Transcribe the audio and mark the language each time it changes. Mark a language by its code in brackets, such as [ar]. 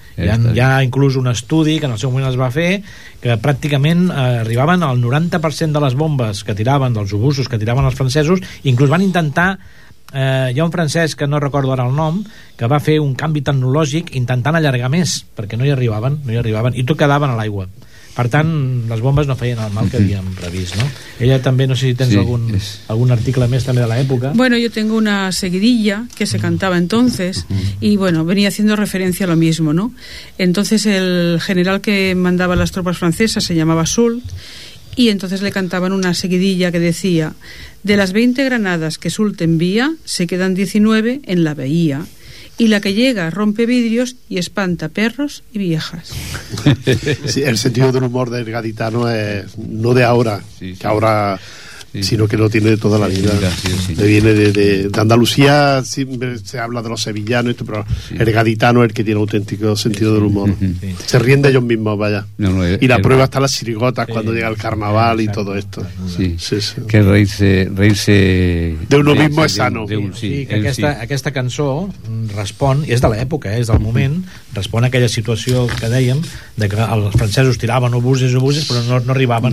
[ca] Hi ha inclús un estudi que en el seu moment es va fer, que pràcticament arribaven al 90% de les bombes que tiraven, dels obusos que tiraven els francesos, i inclús van intentar... hi ha un francès, que no recordo ara el nom, que va fer un canvi tecnològic intentant allargar més, perquè no hi arribaven, i tot quedaven a l'aigua. Per tant, les bombes no feien el mal que havíem previst, no? Ella també, no sé si tens algun article més també de l'època. [es] Bueno, yo tengo una seguidilla que se cantaba entonces, y bueno, venía haciendo referencia a lo mismo, ¿no? Entonces el general que mandaba las tropas francesas se llamaba Soult, y entonces le cantaban una seguidilla que decía: de las 20 granadas que Soult envía, se quedan 19 en la bahía, y la que llega rompe vidrios y espanta perros y viejas. Sí, el sentido del humor del gaditano es no de ahora, que ahora... Sí. Sino que lo tiene de toda la vida. Viene de Andalucía, siempre se habla de los sevillanos, pero el gaditano es el que tiene auténtico sentido del humor. Se ríen de ellos mismos, vaya. Y la prueba está en las sirigotas cuando llega el carnaval y todo esto. Sí. Que reírse de uno mismo es sano. [ca] Aquesta cançó respon, i és de l'època, és del moment, respon a aquella situació que dèiem, de que els francesos tiraven obuses, però no arribaven,